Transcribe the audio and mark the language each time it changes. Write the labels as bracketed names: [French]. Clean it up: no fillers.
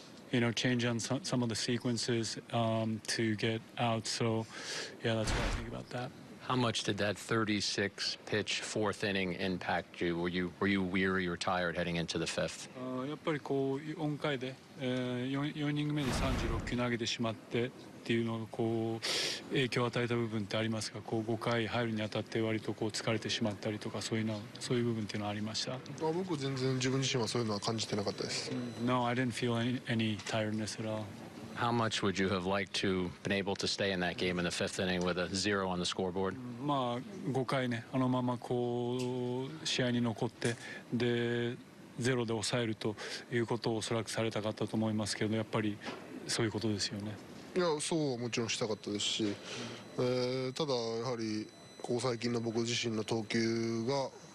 [English] You know, change on some of the sequences to get out. So, yeah, that's what I think about that. How much did that 36 pitch fourth inning impact you? Were you weary or tired heading into the fifth? [Japanese] やっぱりこう4回で、4イニング目に36球投げてしまってっていうのがこう影響を与えた部分ってありますが、こう5回入るにあたって割とこう疲れてしまったりとか、そういう部分っていうのはありました。まあ、僕全然自分自身はそういうのは感じてなかったです。 [English] No, I didn't feel any tiredness at all. How much would you have liked to been able to stay in that game in the fifth inning with a zero on the scoreboard? [Japanese] まあ、5回ね、あのままこう試合に残ってでゼロで抑えるということをおそらくされたかったと思いますけど、やっぱりそういうことですよね。いや、そうはもちろんしたかったですし、ただやはりこう最近の僕自身の投球が。